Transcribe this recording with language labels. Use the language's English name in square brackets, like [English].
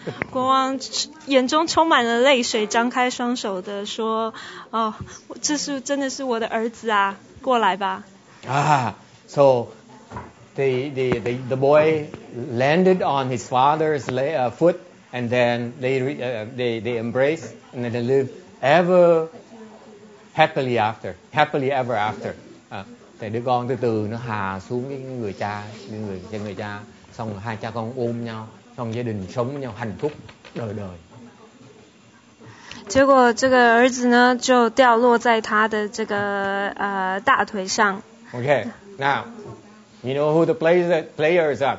[Chinese] 国王眼中充满了泪水，张开双手的说，哦，这是真的是我的儿子啊，过来吧。 [English] So the boy landed on his father's foot and then they embrace and then they live. Ever happily after, happily ever after. [Vietnamese] Thì đứa con từ từ nó hà xuống với người cha, với người cha, xong hai cha con ôm nhau, xong gia đình sống với nhau hạnh phúc đời đời. [Chinese] 结果这个儿子呢就掉落在他的这个大腿上。 [English] Okay, now You know who the players are?